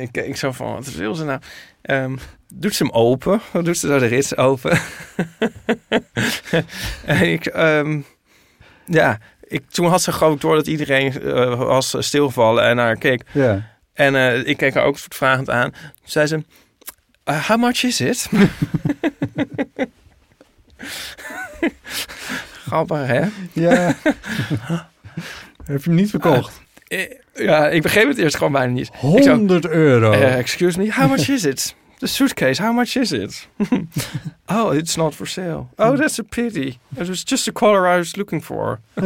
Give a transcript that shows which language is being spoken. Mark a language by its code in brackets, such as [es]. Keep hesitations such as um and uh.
[nl] Ik, ik zo van, wat wil ze nou? Um, doet ze hem open? Wat doet ze nou de rits open? en ik, um, ja, ik, toen had ze gewoon door dat iedereen uh, was stilvallen en naar haar keek. Ja. Yeah. En uh, ik keek haar ook soort vragend aan. Toen zei ze: uh, [en] How much is it? [nl] Grappig, hè? Ja. Heb je hem niet verkocht? Uh, eh, ja, ik begreep het eerst gewoon bijna niet. 100 zou, euro. [en] excuse me, how much is it? The suitcase, how much is it? oh, it's not for sale. Oh, that's a pity. It was just a color I was looking for.